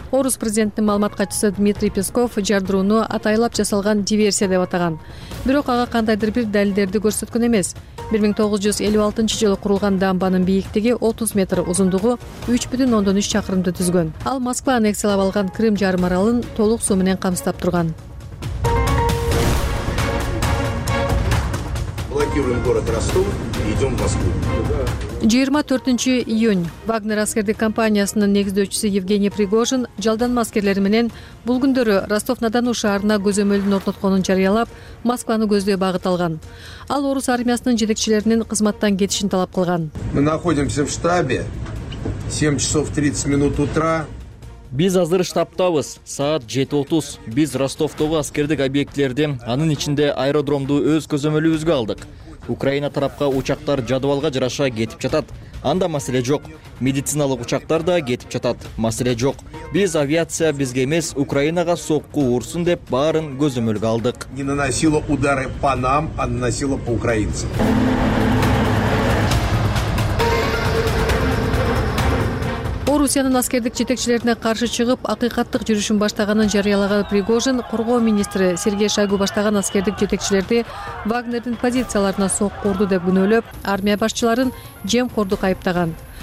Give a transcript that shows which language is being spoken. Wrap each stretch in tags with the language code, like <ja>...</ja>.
<ky>Орус президентинин маалымат катчысы Дмитрий Песков жардырууну атайлап жасалган диверсия деп атаган. Бирок ага кандайдыр бир далилдерди көрсөткөн эмес. 1956 жылы курулган дамбанын бийиктиги 30 метр, узундугу 3,3 чакырымды түзгөн. Ал Москва аннексиялап алган Крым жарым аралын толук суу менен камсыздап турган.</ky> <ru>Блокируем город Ростов, идем в Москву.</ru> <ky>24 июнь Вагнер аскердик компаниясынын негиздөөчүсү Евгений Пригожин жалданма аскерлери менен бул күндөрү Ростов-на-Дону шаарына көзөмөлдүн орнотконун жарыялап, Москваны көздөй багыт алган. Ал орус армиясынын жетекчилеринин кызматтан кетишин талап кылган.</ky> <ru>Мы находимся в штабе. 7:30 утра.</ru> <ky>Биз азыр штабтабыз. Саат 7:30. Биз Ростовтогу аскердик объектилерди, анын ичинде аэродромду өз көзөмөлүбүзгө алдык. Украина тарапка учактар жадыбалга жараша кетип жатат. Анда маселе жок. Медициналык учактар да кетип жатат. Маселе жок. Биз авиация бизге эмес, Украинага сокку урсун деп баарын көзөмөлгө алдык.</ky> <ru>Не наносило удары по нам, а наносило по украинцам.</ru> <ky>Орусиянын аскердик жетекчилерине каршы чыгып, акыйкаттык жүрүшүн баштаганын жарыялаган Пригожин, коргоо министри Сергей Шойгу баштаган аскердик жетекчилерди Вагнердин позицияларына сокку урду деп күнөөлөп, армия башчыларын жемкордук айыптаган.</ky>